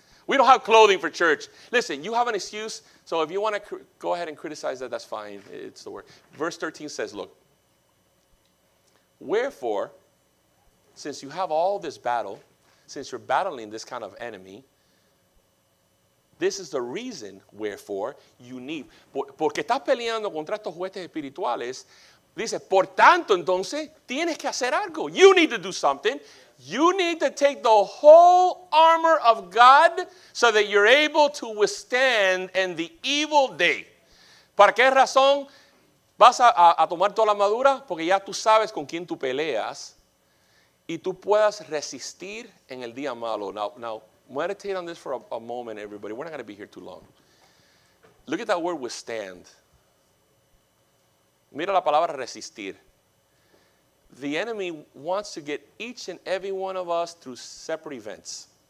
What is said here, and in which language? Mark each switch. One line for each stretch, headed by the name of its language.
English: We don't have clothing for church. Listen, you have an excuse. So if you want to go ahead and criticize that, that's fine. It's the word. Verse 13 says, look, wherefore, since you have all this battle, since you're battling this kind of enemy, this is the reason wherefore you need.
Spanish: Porque estás peleando contra estos jueces espirituales. Dice, por tanto, entonces, tienes que hacer algo.
English: You need to do something. You need to take the whole armor of God so that you're able to withstand in the evil day.
Spanish: ¿Para qué razón vas a tomar toda la armadura? Porque ya tú sabes con quién tú peleas y tú puedas resistir en el día malo.
English: Now meditate on this for a moment, everybody. We're not going to be here too long. Look at that word withstand.
Spanish: Mira la palabra resistir.
English: The enemy wants to get each and every one of us through separate events.